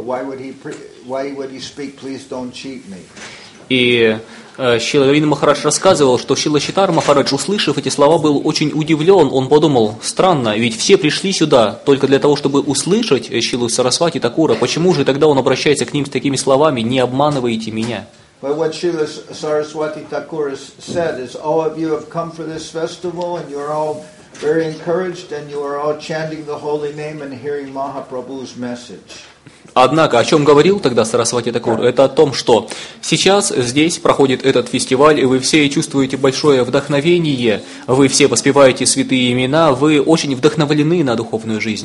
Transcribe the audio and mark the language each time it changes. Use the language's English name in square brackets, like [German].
[English] Why would he speak, please don't cheat me? [Russian] И Шрила Равина Махарадж рассказывал, что Шрила Читара Махарадж, услышав эти слова, был очень удивлен. Он подумал, странно, ведь все пришли сюда только для того, чтобы услышать Шрилу Сарасвати Такура. Почему же тогда он обращается к ним с такими словами, не обманывайте меня? [English] But what Srila Saraswati Thakura said is, all of you have come for this festival and you're all very encouraged and you are all chanting the holy name and hearing Mahaprabhu's message. [Russian] Однако, о чем говорил тогда Сарасвати Такур, это о том, что сейчас здесь проходит этот фестиваль, и вы все чувствуете большое вдохновение, вы все воспеваете святые имена, вы очень вдохновлены на духовную